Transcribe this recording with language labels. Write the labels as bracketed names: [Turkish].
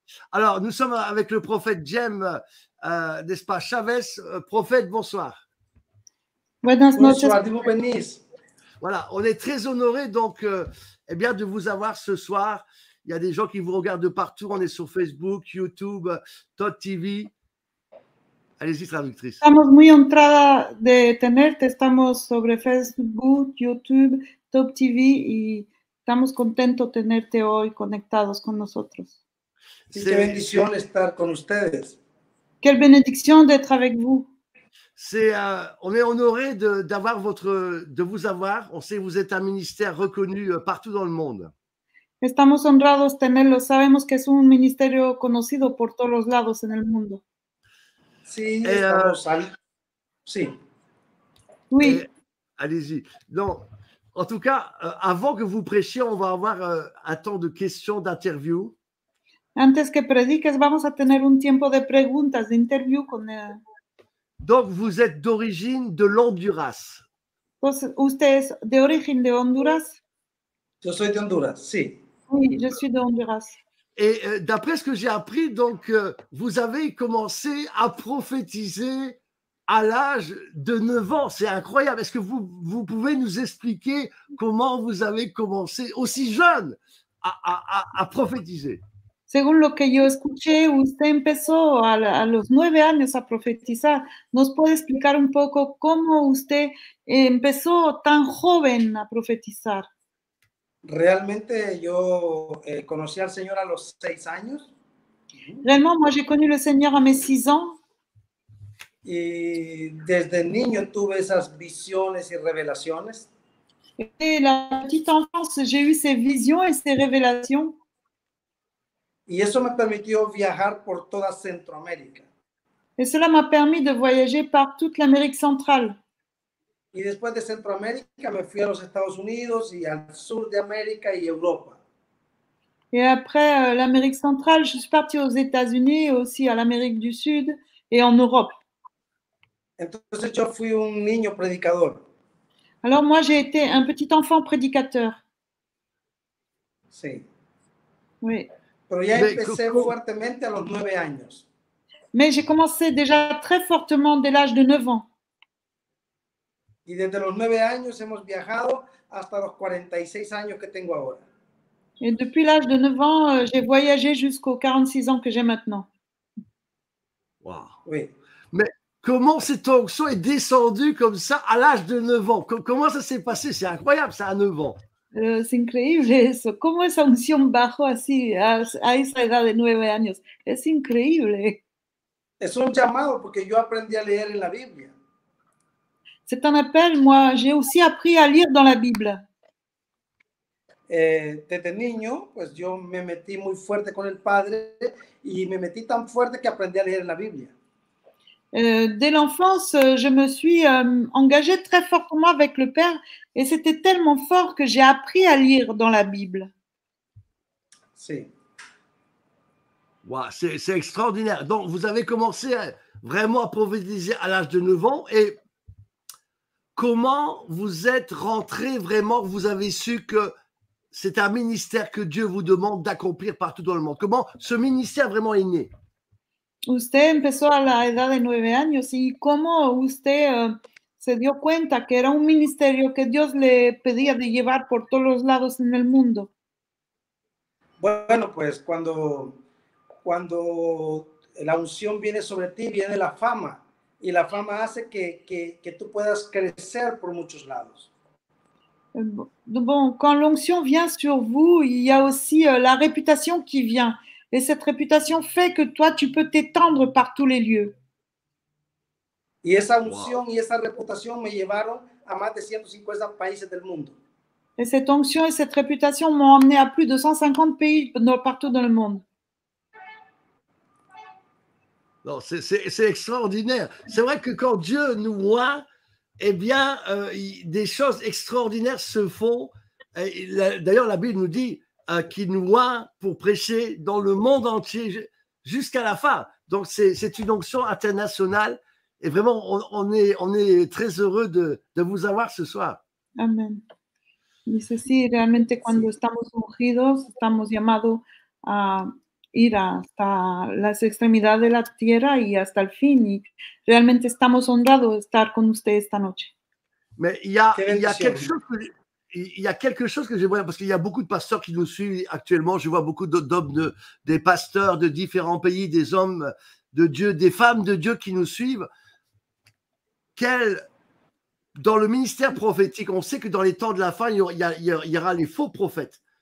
[French] Alors, nous sommes avec le prophète Jem, n'est-ce pas, Chavez. Prophète, bonsoir. Bonsoir, Dieu vous bénisse. Voilà, on est très honorés donc, eh bien, de vous avoir ce soir. Il y a des gens qui vous regardent de partout. On est sur Facebook, YouTube, Todd TV. Allez-y, traductrice. [Spanish] Estamos muy honrada de tenerte. Estamos sobre Facebook, YouTube, Todd TV y estamos contentos de tenerte hoy conectados con nosotros. Qué bendición estar con ustedes. [French] Quelle bénédiction d'être avec vous. C'est, on est honoré de vous avoir. On sait que vous êtes un ministère reconnu partout dans le monde. [Spanish] Estamos honrados tenerlo. Sabemos que es un ministerio conocido por todos los lados en el mundo. Sí, estamos ahí. Sí. [French] Oui. Allez-y. Non. En tout cas, avant que vous prêchiez, on va avoir un temps de questions, d'interview. [Spanish] Antes que prediques, vamos a tener un tiempo de preguntas, de interview con el... [French] Donc, vous êtes d'origine de l'Honduras. Vous êtes d'origine de Honduras? Je suis de Honduras, si. Oui, je suis de Honduras. Et d'après ce que j'ai appris, donc, vous avez commencé à prophétiser à l'âge de 9 ans. C'est incroyable. Est-ce que vous pouvez nous expliquer comment vous avez commencé aussi jeune à prophétiser? [Spanish] Según lo que yo escuché, usted empezó a los 9 años a profetizar. ¿Nos puede explicar un poco cómo usted empezó tan joven a profetizar? Realmente yo conocí al Señor a los 6 años. [French] Realmente, moi j'ai connu le Seigneur à mes 6 ans. [Spanish] Y desde niño tuve esas visiones y revelaciones. [French] Et la petite enfance, j'ai eu ces visions et ces révélations. [Spanish] Y eso me permitió viajar por toda Centroamérica. [French] Et cela m'a permis de voyager par toute l'Amérique centrale. [Spanish] Y después de Centroamérica me fui a los Estados Unidos y al sur de América y Europa. [French] Et après l'Amérique centrale, je suis partie aux États-Unis et aussi à l'Amérique du Sud et en Europe. [Spanish] Entonces yo fui un niño predicador. [French] Alors moi j'ai été un petit enfant prédicateur. [Spanish] Sí. [French] Oui. [Spanish] Pero ya empecé fuertemente a los 9 años. [French] Mais j'ai commencé déjà très fortement dès l'âge de 9 ans. [Spanish] Y desde los 9 años hemos viajado hasta los 46 años que tengo ahora. [French] Et depuis l'âge de 9 ans, j'ai voyagé jusqu'aux 46 ans que j'ai maintenant. Wow. Oui. Mais comment cette onction est descendue comme ça à l'âge de 9 ans? Comment ça s'est passé? C'est incroyable ça à 9 ans. C'est incroyable ça. Comment cette onction [Spanish] bajó así [French] à [Spanish] esa edad de 9 años? [French] C'est incroyable. [Spanish] Es un llamado porque yo aprendí a leer en la Biblia. [French] C'est un appel, moi j'ai aussi appris à lire dans la Bible. [Spanish] Desde niño, pues yo me metí muy fuerte con el Padre y me metí tan fuerte que aprendí a leer la Biblia. [French] Dès l'enfance, je me suis engagée très fortement avec le Père et c'était tellement fort que j'ai appris à lire dans la Bible. [Spanish] Sí. [French] Wow, c'est extraordinaire. Donc, vous avez commencé vraiment à prophétiser à l'âge de 9 ans et comment vous êtes rentré vraiment, vous avez su que c'est un ministère que Dieu vous demande d'accomplir partout dans le monde. Comment ce ministère vraiment est né? [Spanish] Usted empezó a la edad de 9 años y cómo usted se dio cuenta que era un ministerio que Dios le pedía de llevar por todos los lados en el mundo. Bueno, pues cuando la unción viene sobre ti, viene la fama y la fama hace que tú puedas crecer por muchos lados. [French] Bon, quand l'onction vient sur vous, il y a aussi la réputation qui vient. Et cette réputation fait que toi, tu peux t'étendre par tous les lieux. Et cette onction et cette réputation [Spanish] me llevaron a más de 150 países del mundo. [French] Et cette onction et cette réputation m'ont emmené à plus de 150 pays partout dans le monde. Non, c'est extraordinaire. C'est vrai que quand Dieu nous voit, eh bien, des choses extraordinaires se font. D'ailleurs, la Bible nous dit qui nous voit pour prêcher dans le monde entier jusqu'à la fin. Donc, c'est une onction internationale. Et vraiment, on est très heureux de vous avoir ce soir. Amen. [Spanish] Dice, sí, realmente, cuando estamos ungidos, estamos llamados a ir hasta las extremidades de la tierra y hasta el fin. Y realmente estamos honrados de estar con usted esta noche. [French] Mais il y a quelque chose que... Il y a quelque chose que j'aimerais, parce qu'il y a beaucoup de pasteurs qui nous suivent actuellement. Je vois beaucoup d'hommes, des pasteurs de différents pays, des hommes de Dieu, des femmes de Dieu qui nous suivent. Dans le ministère prophétique, on sait que dans les temps de la fin, il y aura les faux prophètes.